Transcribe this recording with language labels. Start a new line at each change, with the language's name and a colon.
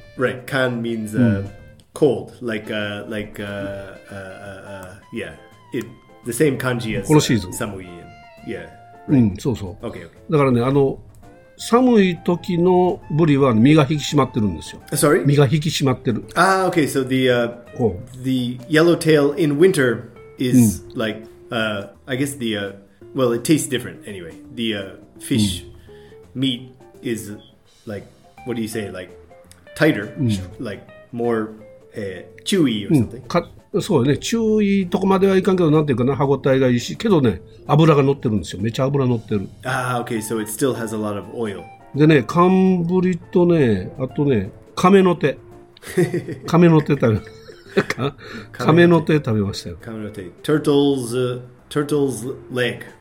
English: Right. 缶 means、cold. The same 漢字 as
Japanese: このシーズン。寒い。Yeah. Right. そうそう。
English: Okay, okay.
Japanese: だからね、寒い時のブリは身が引き締まってるんですよ。
English: Sorry?
Japanese: 身が引き締まってる。
English: Ah, okay, so the yellow tail in winter is like, I guess the, well, it tastes different anyway. The fish meat is like, what do you say, like tighter, like more chewy or something.
Japanese: そうよね、chewy とこまではいかんけど、なんていうかな、歯ごたえがいいし、けどね、油が乗ってるんですよ。めちゃ油乗ってる。
English: Ah, okay, so it still has a lot of oil.
Japanese: でね、寒ブリとね、あとね、カメノテ食べましたよ。
English: カメノテ。Turtle's leg.